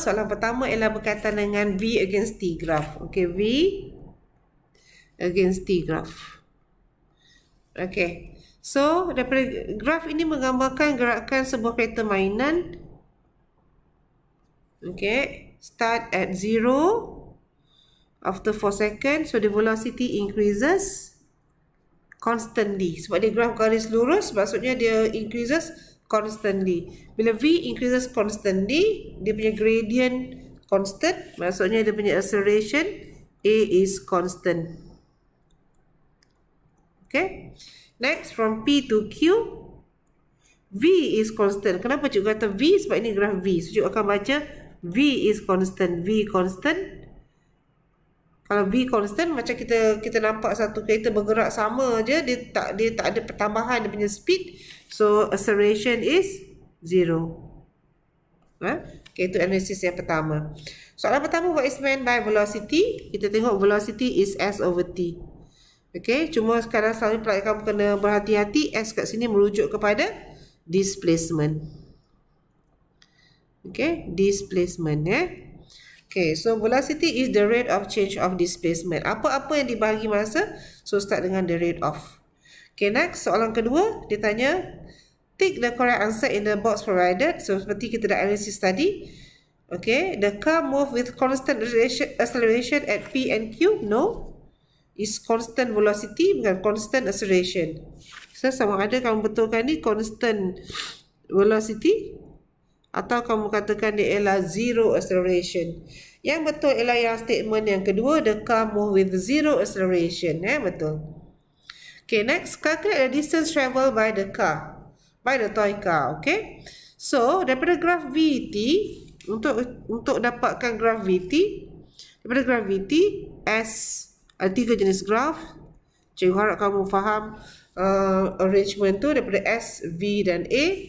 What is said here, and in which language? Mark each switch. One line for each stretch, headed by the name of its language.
Malay: Soalan pertama ialah berkaitan dengan V against T graph. Okey, V against T graph. Okey. So, daripada graf ini menggambarkan gerakan sebuah kereta mainan.
English: Okey, start at 0 after 4 seconds. So, the velocity increases constantly.
Malay: Sebab dia graf garis lurus, maksudnya dia
English: increases constantly.
Malay: Bila
English: V increases constantly, dia punya gradient constant,
Malay: maksudnya dia punya
English: acceleration A is constant. Okay. Next, from P to Q, V is constant.
Malay: Kenapa cikgu kata V? Sebab ini graf V. So, cikgu akan baca
English: V is constant.
Malay: V constant. Kalau V constant, macam kita nampak satu kereta bergerak sama aje, dia tak ada pertambahan dia punya speed.
English: So, acceleration is zero.
Malay: Okay, itu analisis yang pertama. Soalan pertama,
English: what is meant by velocity?
Malay: Kita tengok
English: velocity is S over T.
Malay: Okay, cuma sekarang selalu pelajar kamu kena berhati-hati, S kat sini merujuk kepada displacement.
English: Okay, displacement ya. Eh? Okay, so velocity is the rate of change of displacement.
Malay: Apa-apa yang dibahagi masa,
English: so start dengan the rate of. Okay, next,
Malay: soalan kedua, dia tanya,
English: tick the correct answer in the box provided.
Malay: So, seperti kita dah analisis tadi.
English: Okay, the car move with constant acceleration at P and Q? No. Is constant velocity
Malay: bukan
English: constant acceleration.
Malay: So, sama ada kamu betulkan ni constant velocity atau kamu katakan dia ialah zero acceleration. Yang betul ialah yang statement yang kedua,
English: the car move with zero acceleration. Eh, betul. Okay, next. Calculate the distance travelled by the car. By the toy car. Okay.
Malay: So, daripada graf VT, untuk dapatkan graf VT, daripada graf VT, S, ada tiga jenis graf. Cikgu harap kamu faham arrangement tu daripada S, V dan A.